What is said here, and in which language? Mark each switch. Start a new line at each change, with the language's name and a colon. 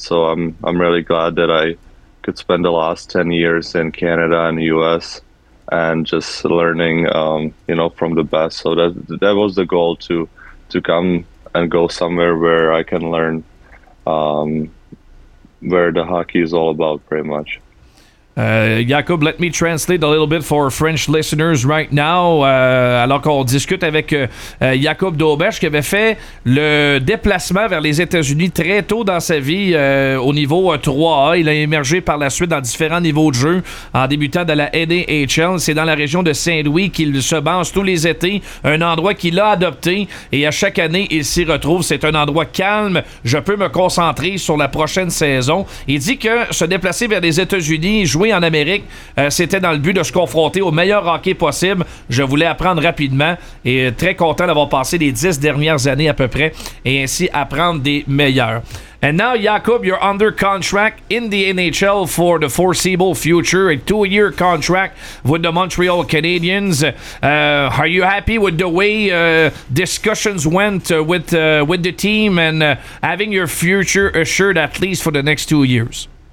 English: So I'm really glad that I could spend the last 10 years in Canada and US and just learning, you know, from the best. So that was the goal to come and go somewhere where I can learn where the hockey is all about, pretty much. Jakub, let me translate a little bit for French listeners right now.
French: Alors qu'on discute avec Jakub Domas, qui avait fait le déplacement vers les États-Unis très tôt dans sa vie au niveau 3A. Il a émergé par la suite dans différents niveaux de jeu en débutant de la NHL. C'est dans la région de Saint-Louis qu'il se base tous les étés, un endroit qu'il a adopté et à chaque année, il s'y retrouve. C'est un endroit calme. Je peux me concentrer sur la prochaine saison. Il dit que se déplacer vers les États-Unis, jouer en Amérique, c'était dans le but de se confronter au meilleur hockey possible. Je voulais apprendre rapidement et très content d'avoir passé les 10 dernières années à peu près et ainsi apprendre des meilleurs.
English: And now, Jakub, you're under contract in the NHL for the foreseeable future, a two-year contract with the Montreal Canadiens. Are you happy with the way discussions went with the team and having your future assured at least for the next 2 years?